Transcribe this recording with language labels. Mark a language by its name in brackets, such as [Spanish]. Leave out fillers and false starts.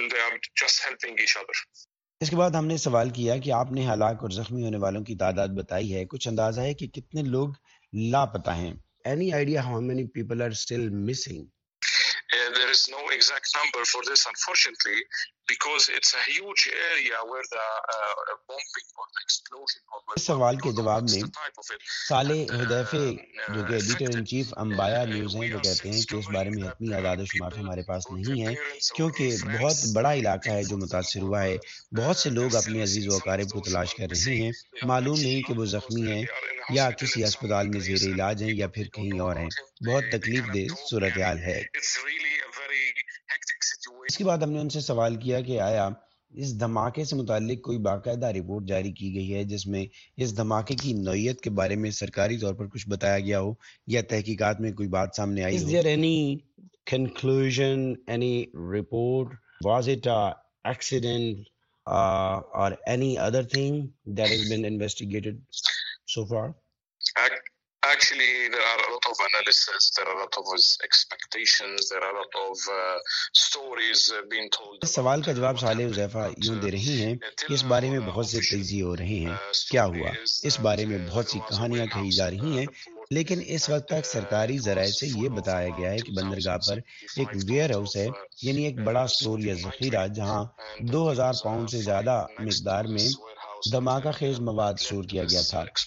[Urdu] اس کے بعد ہم نے سوال کیا کہ آپ نے ہلاک اور زخمی ہونے والوں کی تعداد بتائی ہے, کچھ اندازہ ہے کہ کتنے لوگ لاپتہ ہیں؟ [English] Any idea how many people are still missing? There is no exact number for this, unfortunately, because it's a huge area where the bombing or the explosion or whatever. [Urdu] سوال کے جواب میں صالح حدیفی جو کہ ایڈیٹر ان چیف امبایا نیوز ہیں, وہ کہتے ہیں کہ اس بارے میں اتنی اعداد و شمار ہمارے پاس نہیں ہے, کیونکہ بہت بڑا علاقہ ہے جو متاثر ہوا ہے. بہت سے لوگ اپنے عزیز و اقارب کو تلاش کر رہے ہیں, معلوم نہیں کہ وہ زخمی ہیں یا کسی اسپتال میں زیر علاج ہیں یا پھر کہیں اور ہیں. بہت تکلیف دہ صورتحال ہے. اس کے بعد ہم نے ان سے سوال کیا کہ آیا اس دھماکے سے متعلق کوئی باقاعدہ رپورٹ جاری کی گئی ہے جس میں اس دھماکے کی نوعیت کے بارے میں سرکاری طور پر کچھ بتایا گیا ہو یا تحقیقات میں کوئی بات سامنے آئی ہو؟ [English] Is there any conclusion, any report? Was it an accident or any other thing that has been investigated so far? Actually, there are a lot of analysis, there are a lot of expectations, there are a lot of stories being told. [Urdu] اس سوال کا جواب صالح حذیفہ یوں دے رہی ہیں کہ اس بارے میں بہت سے تجزیے ہو رہے ہیں. کیا ہوا اس بارے میں بہت سی کہانیاں کہی جا رہی ہیں, لیکن اس وقت تک سرکاری ذرائع سے یہ بتایا گیا ہے کہ بندرگاہ پر ایک ویئر ہاؤس ہے, یعنی ایک بڑا اسٹور یا ذخیرہ جہاں 2,000 پاؤنڈ سے زیادہ مقدار میں دھماکہ خیز مواد سٹور کیا گیا تھا.